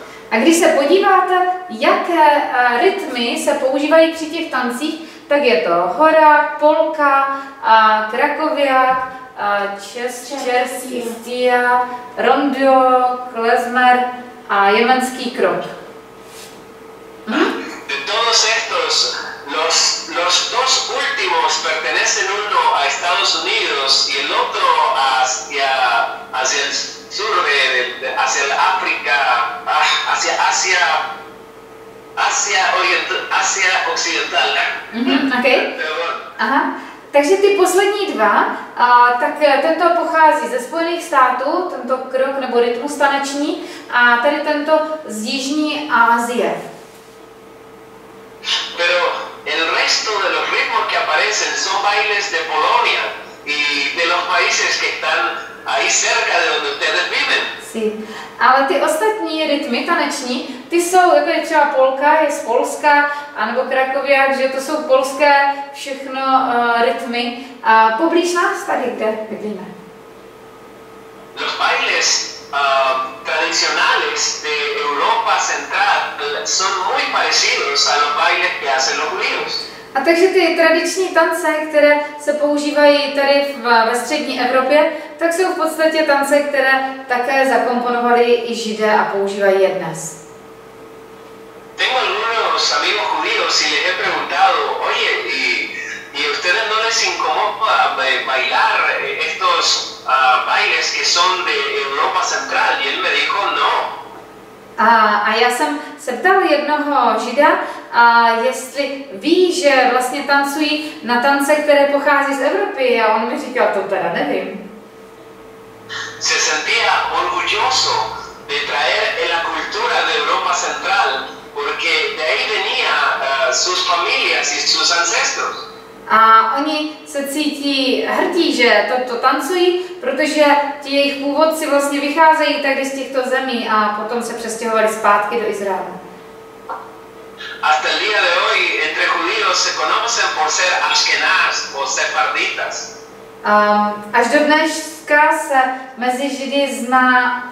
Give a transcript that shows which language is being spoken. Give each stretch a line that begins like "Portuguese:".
Czech: a když se podíváte, jaké rytmy se používají při těch tancích, tak je to hora, polka, krakoviak, čestia, rondo, klezmer a jemenský krok.
Spanish: De todos estos, los dos últimos pertenecen uno a Estados Unidos y el otro hacia el sur, hacia el África, hacia occidental.
Czech: Okay. Aha. Takže ty poslední dva, tak tento pochází ze Spojených států, tento krok nebo rytmus taneční, a tady tento z Jižní Asie.
Spanish: Pero el resto de los ritmos que aparecen son bailes de Polonia y de los países que están ahí cerca de donde ustedes viven. Sí.
Czech: Ale ty ostatní rytmy taneční, ty jsou, jako je třeba polka, je z Polska, anebo krakoviak, že to jsou polské všechno rytmy. A poblíž nás tady, kde bydlíme?
Spanish: Los bailes tradicionales de Europa Central son muy parecidos a los bailes que hacen los judíos.
Czech: A takže ty tradiční tance, které se používají tady ve střední Evropě, tak jsou v podstatě tance, které také zakomponovali i Židé a používají je dnes.
Spanish: Tengo algunos amigos judíos y les he preguntado, oye, ¿y ustedes no les incomoda bailar estos bailes que son de Europa Central? Y él me dijo, no.
Czech: A já jsem se ptal jednoho Žida, jestli ví, že vlastně tancují na tance, které pochází z Evropy, a on mi říkal, to teda nevím.
Spanish: Se sentía orgulloso de traer la cultura de Europa Central, porque de ahí venía sus familias y sus ancestros.
Czech: A oni se cítí hrdí, že to tancují, protože ti jejich původci vlastně vycházejí tady z těchto zemí a potom se přestěhovali zpátky do Izraela.
Spanish: Hasta el día de hoy entre judíos se conocen por ser ashkenaz o sefarditas.
Czech: Až do dneška se mezi Židy zná